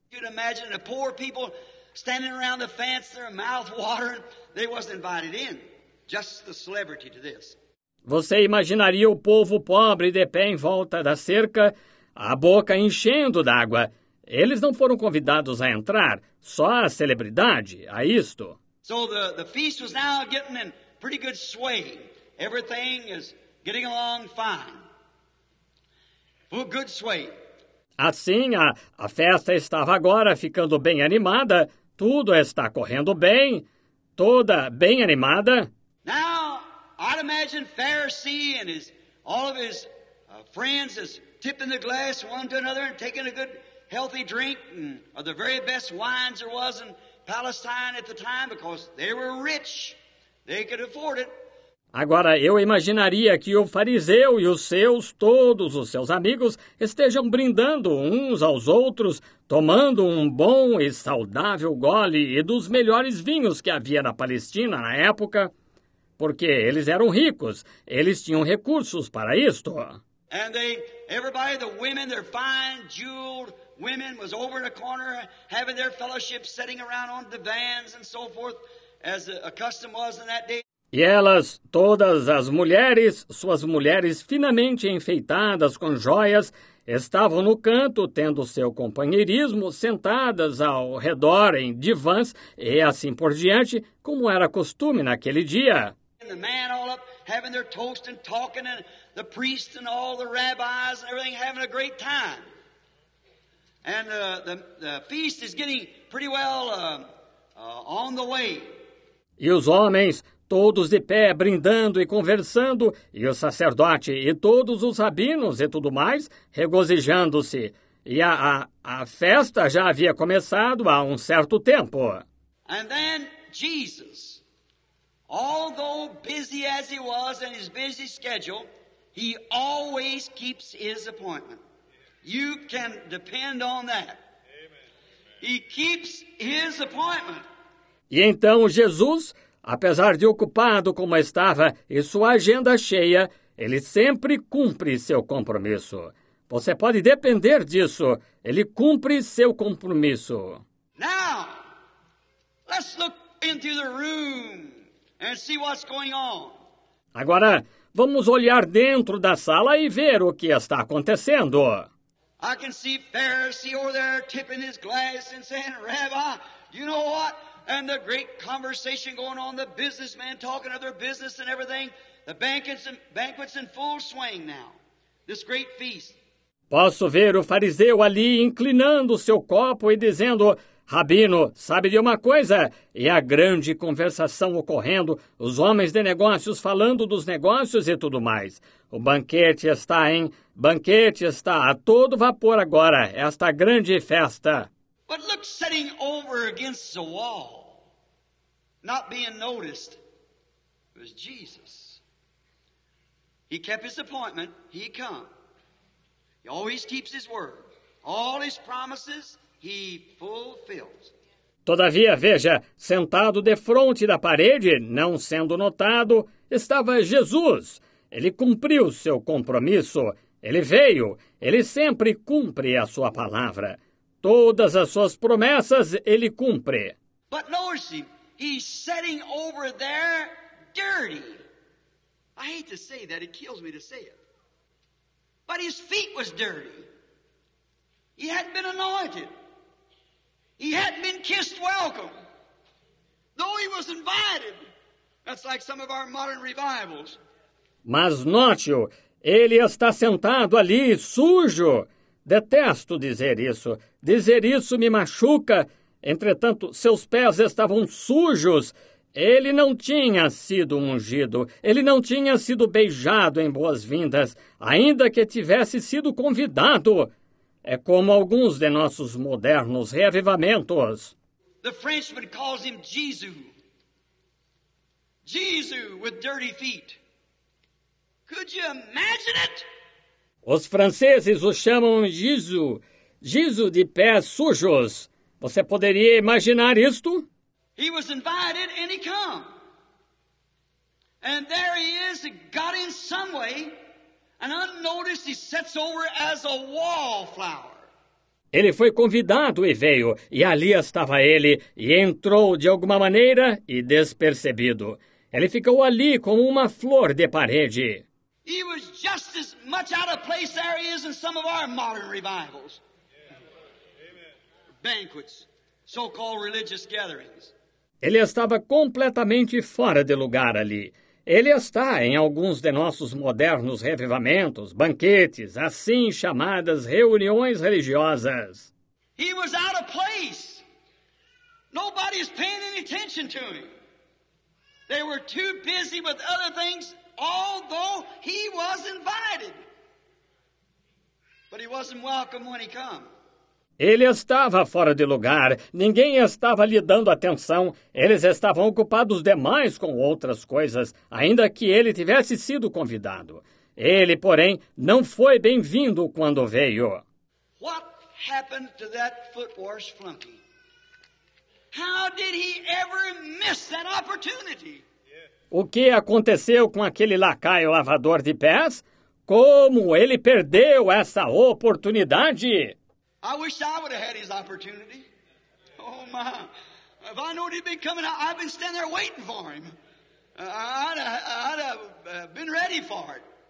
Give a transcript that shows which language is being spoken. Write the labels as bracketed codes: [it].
[en] You'd imagine the poor people standing around the fence, their mouth watering. They wasn't invited in. Just the celebrity to this. [pt] Você imaginaria o povo pobre de pé em volta da cerca, a boca enchendo d'água. Eles não foram convidados a entrar, só a celebridade, a isto. [en] So the feast was now getting in pretty good sway. Everything is getting along fine. Well, good sway. [pt] Assim, a festa estava agora ficando bem animada. Tudo está correndo bem. Toda bem animada. [en] Now, I'd imagine Pharisee and his, all of his friends is tipping the glass one to another and taking a good healthy drink of the very best wines there was in Palestine at the time because they were rich. They could afford it. [pt] Agora, eu imaginaria que o fariseu e os seus, todos os seus amigos, estejam brindando uns aos outros, tomando um bom e saudável gole e dos melhores vinhos que havia na Palestina na época, porque eles eram ricos, eles tinham recursos para isto. [en] And everybody, the women, they're fine, jeweled, women was over in a corner having their fellowship, sitting around on divans and so forth, as a custom was in that day. [pt] E elas, todas as mulheres, suas mulheres finamente enfeitadas com joias, estavam no canto tendo seu companheirismo, sentadas ao redor em divãs e assim por diante, como era costume naquele dia. [en] And the man all up having their toast and talking, and the priest and all the rabbis and everything having a great time. And the feast is getting pretty well on the way. [pt] E os homens, todos de pé, brindando e conversando, e o sacerdote e todos os rabinos e tudo mais, regozijando-se. E a festa já havia começado há um certo tempo. [en] And then Jesus, although busy as he was in his busy schedule, he always keeps his appointment. You can depend on that. Amen. He keeps his appointment. [pt] E então Jesus, apesar de ocupado como estava e sua agenda cheia, ele sempre cumpre seu compromisso. Você pode depender disso. Ele cumpre seu compromisso. [en] Now, let's look into the room and see what's going on. [pt] Agora, vamos olhar dentro da sala e ver o que está acontecendo. [en] I can see Pharisee over there tipping his glass and saying, Rabbi, you know what? and the great conversation going on, the businessman talking of their business and everything. The banquet's in full swing now. This great feast. [pt] Posso ver o fariseu ali inclinando seu copo e dizendo: Rabino, sabe de uma coisa? E a grande conversação ocorrendo, os homens de negócios falando dos negócios e tudo mais. O banquete está, hein? Banquete está a todo vapor agora, esta grande festa. [en] But look, sitting over against the wall, not being noticed, it was Jesus. He kept his appointment, he come. He always keeps his word. All his promises, he fulfills. [pt] Todavia, veja, sentado defronte da parede, não sendo notado, estava Jesus. Ele cumpriu seu compromisso. Ele veio. Ele sempre cumpre a sua palavra. Todas as suas promessas, ele cumpre. [en] But notice, he's sitting over there dirty. I hate to say that, it kills me to say it. But his feet was dirty. He hadn't been anointed. He hadn't been kissed welcome. Though he was invited. That's like some of our modern revivals. [pt] Mas note-o, ele está sentado ali, sujo. Detesto dizer isso. Dizer isso me machuca. Entretanto, seus pés estavam sujos. Ele não tinha sido ungido, ele não tinha sido beijado em boas-vindas, ainda que tivesse sido convidado. É como alguns de nossos modernos reavivamentos. [en] The Frenchman calls him Jesus. Jesus with dirty feet. Could you imagine it? [pt] Os franceses o chamam Jesus, Jesus de pés sujos. Você poderia imaginar isto? [en] He was invited and he come. And there he is, got in some way, and unnoticed he sets over as a wallflower. [pt] Ele foi convidado e veio, e ali estava ele, e entrou de alguma maneira e despercebido. Ele ficou ali como uma flor de parede. [en] He was just as much out of place there he is in some of our modern revivals. Amen. Banquets, so-called religious gatherings. [pt] Ele estava completamente fora de lugar ali. Ele está em alguns de nossos modernos revivamentos, banquetes, assim chamadas reuniões religiosas. [en] He was out of place. Nobody's paying any attention to him. They were too busy with other things, although he was invited. But he wasn't welcome when he came. [pt] Ele estava fora de lugar, ninguém estava lhe dando atenção, eles estavam ocupados demais com outras coisas, ainda que ele tivesse sido convidado. Ele, porém, não foi bem-vindo quando veio. [en] What happened to that foot wash flunky? How did he ever miss that opportunity? [pt] O que aconteceu com aquele lacaio lavador de pés? Como ele perdeu essa oportunidade? [en] I wish I would have had his opportunity. Oh, my. If I knew he'd been coming, I'd been standing there waiting for him. I'd have been ready for it.